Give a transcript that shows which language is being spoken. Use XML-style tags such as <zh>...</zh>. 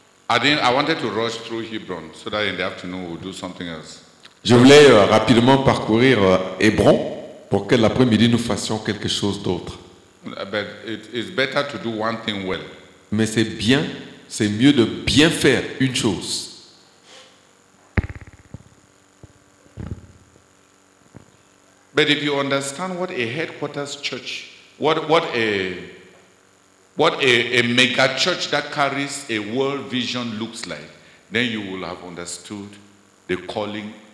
<en>I wanted to rush through Hebron so that in the afternoon we'll do something else.</en> <fr>Je voulais rapidement parcourir Hébron pour que l'après-midi nous fassions quelque chose d'autre.</fr> <en>But it is better to do one thing well.</en> <fr>Mais c'est mieux de bien faire une chose.</fr> <en>But if you understand what a headquarters church, what a mega church that carries a world vision looks like, then you will have understood the calling.</en>